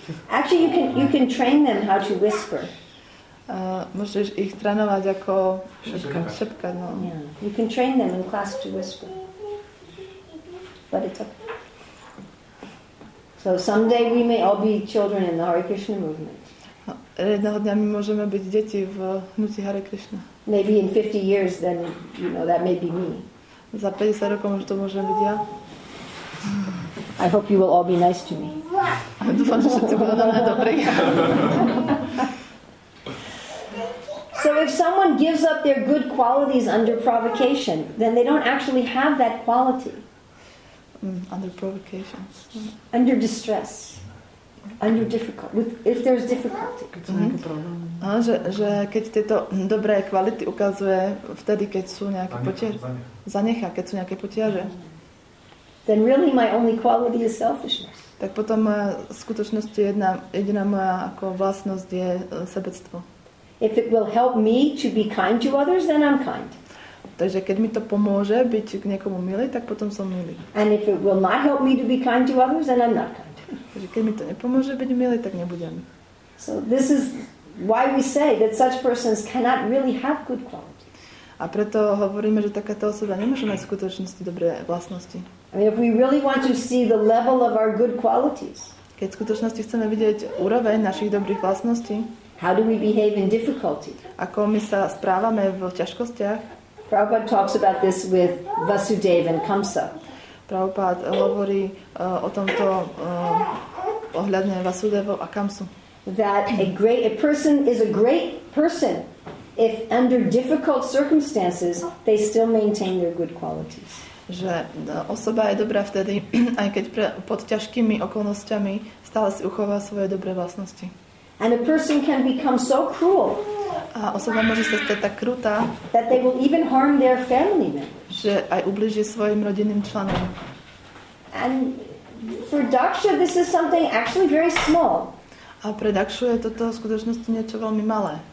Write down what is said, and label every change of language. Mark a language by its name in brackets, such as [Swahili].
[English] Actually, you can train them how to whisper. [Slovak] Môžeš ich trénovať ako šepka, no. [English] Yeah. You can train them in class to whisper. But it's okay. So someday we may all be children in the Hare Krishna movement. [Slovak] Jedného dňa my môžeme byť deti v hnutí Hare Krishna. [English] Maybe in 50 years then, you know, that may be me. [Slovak] Za 50 rokov možno to môžem byť ja. [English] I hope you will all be nice to me. [Slovak] Dúfam, že všetci budú na mňa dobrí. [English] So if someone gives up their good qualities under provocation, then they don't actually have that quality. Under provocations. Under distress. Under difficulty. If there's difficulty. Mm-hmm. [Slovak] No, že keď tieto dobré kvality ukazuje vtedy, keď sú nejaké potiaže. Zanechá, keď sú nejaké potiaže. [English] Then really my only quality is selfishness. [Slovak] Tak potom skutočnosť jediná moja ako vlastnosť je sebectvo. [English] If it will help me to be kind to others, then I'm kind. [Slovak] Takže keď mi to pomôže byť k niekomu milý, tak potom som milý. [English] And if it will not help me to be kind to others, then I'm not kind. [Slovak] Takže keď mi to nepomôže byť milý, tak nebudem. [English] So this is why we say that such persons cannot really have good qualities. [Slovak] A preto hovoríme, že takáto osoba nemôže mať v skutočnosti dobré vlastnosti. [English] I mean, if we really want to see the level of our good qualities. [Slovak] Keď v skutočnosti chceme vidieť úroveň našich dobrých vlastností. [English] How do we behave in difficulty? [Slovak] Ako my sa správame v ťažkostiach? [English] Prabhupada talks about this with Vasudeva and Kamsa. [Slovak] Prabhupada hovorí o tomto ohľadne Vasudevo a Kamsu. [English] That a person is a great person if under difficult circumstances they still maintain their good qualities. [Slovak] Že osoba je dobrá vtedy, aj keď pod ťažkými okolnosťami stále si uchová svoje dobré vlastnosti. [English] And a person can become so cruel. [Slovak] A osoba môže sa stať tak krutá, [English] that they will even harm their family members. [Slovak] Že aj ublíži svojim rodinným členom. [English] And for Daksha this is something actually very small. [Slovak] A pre Dakšu je toto skutočnosti niečo veľmi malé.